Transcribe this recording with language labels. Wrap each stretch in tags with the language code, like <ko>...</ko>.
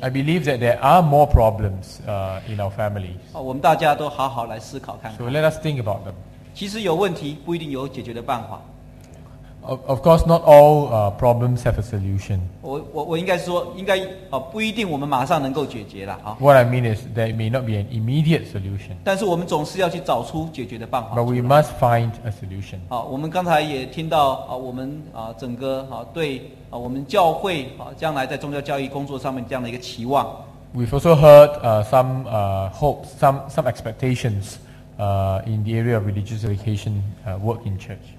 <en>I believe that there are more problems in our families.</en> <zh>我们大家都好好来思考看看。</zh> <en>So let us think about them.</en> <zh>其实有问题不一定有解决的办法。</zh> <en>Of course, not all problems have a solution.</en> <zh>我应该是说，应该不一定我们马上能够解决了。</zh> <en>What I mean is there may not be an immediate solution.</en> <zh>但是我们总是要去找出解决的办法。</zh> <en>But we must find a solution.</en> <zh>我们刚才也听到整个对我们教会将来在宗教教育工作上面这样的一个期望。</zh> <en>We've also heard some hopes, some expectations. In the area of religious education work in church.</en>